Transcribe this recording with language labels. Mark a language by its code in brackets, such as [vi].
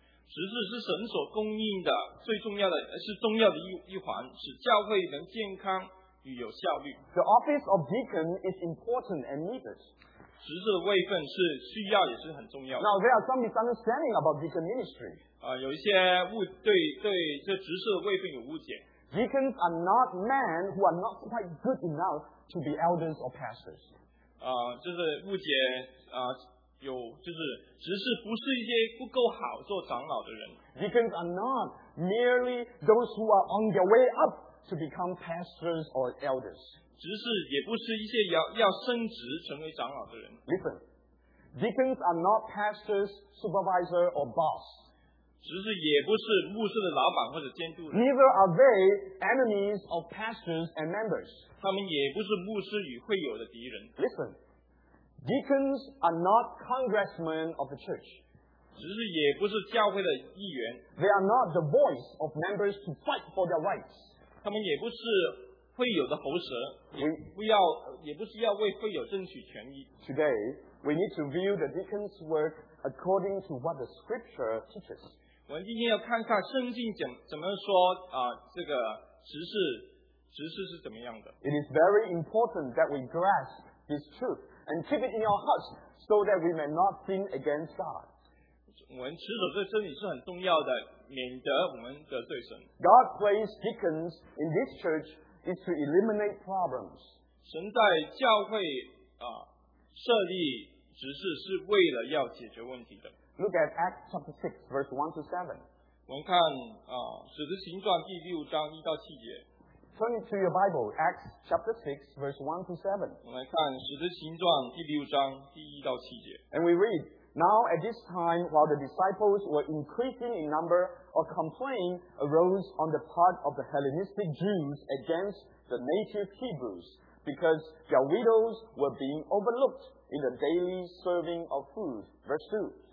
[zh] 执事是神所供应的最重要的，是重要的一环，使教会能健康。 [en] The office of deacon is important and needed. [zh] 执事的位分是需要也是很重要的。 [en] Now there are some misunderstandings about deacon ministry. [zh] 有一些误对这执事的位分有误解。 [en] Deacons are not men who are not quite good enough to be elders or pastors. [zh] 就是误解有就是执事不是一些不够好做长老的人。 [en] Deacons are not merely those who are on their way up. To become pastors or elders. [zh] 执事也不是一些要升职成为长老的人。 [en] Listen, deacons are not pastors, supervisor or boss. [zh] 执事也不是牧师的老板或者监督人。 [en] Neither are they enemies of pastors and members. [zh] 他们也不是牧师与会友的敌人。 [en] Listen, deacons are not congressmen of the church. [zh] 执事也不是教会的议员。 [en] They are not the voice of members to fight for their rights. [zh] 他们也不是会有的喉舌，也不是要为会有争取权益。 [en] Today, we need to view the deacon's work according to what the scripture teaches. [zh] 我们今天要看看圣经怎么说这个执事是怎么样的。 [en] It is very important that we grasp this truth and keep it in our hearts so that we may not sin against God. [zh] 我们持守这真理是很重要的，免得我们得罪神。 [en] God placed deacons in this church is to eliminate problems. [zh] 神在教会设立执事是为了要解决问题的。 [en] Look at Acts chapter 6, verse 1 to 7. [zh] 我们看使徒行传第六章一到七节。 [en] Turn to your Bible, Acts chapter 6, verse 1 to 7. [zh] 我们来看使徒行传第六章第一到七节。 [en] And we read. Now at this time, while the disciples were increasing in number, a complaint arose on the part of the Hellenistic Jews against the native Hebrews, because their widows were being overlooked in the daily serving of food. Verse 2.